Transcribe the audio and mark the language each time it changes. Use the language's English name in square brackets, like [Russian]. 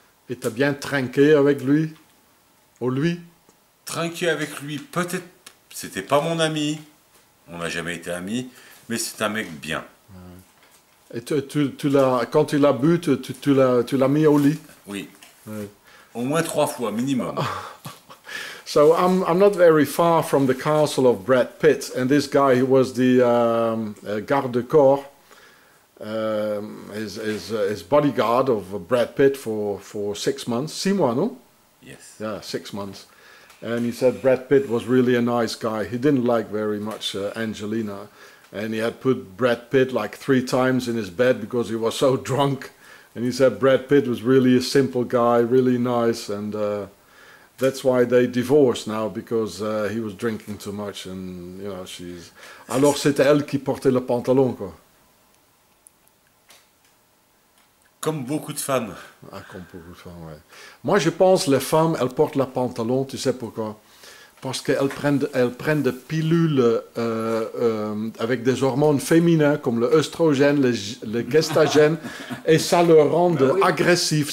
[French] Et t'as bien trinqué avec lui? Ou lui? Trinqué avec lui, peut-être. C'était pas mon ami. On n'a jamais été amis. Mais c'est un mec bien. Et quand tu l'as bu, tu l'as mis au lit? Oui. Ouais. Au moins 3 fois, minimum. [English] So I'm not very far from the castle of Brad Pitt. And this guy, he was the garde-corps. His bodyguard of Brad Pitt for 6 months. [French] 6 mois, no? [English] Yes. Yeah, 6 months. And he said Brad Pitt was really a nice guy. He didn't like very much Angelina. And he had put Brad Pitt like 3 times in his bed because he was so drunk. And he said Brad Pitt was really a simple guy, really nice. And that's why they divorced now, because he was drinking too much. And, you know, she's... [French] Alors c'était elle qui portait le pantalon, quoi. Comme beaucoup de femmes. Ah, comme beaucoup de femmes, ouais. Moi, je pense que les femmes, elles portent la pantalon, tu sais pourquoi? Parce qu'elles prennent des pilules avec des hormones féminins, comme l'œstrogène, le gestagène, et ça leur rend ben oui. Agressif.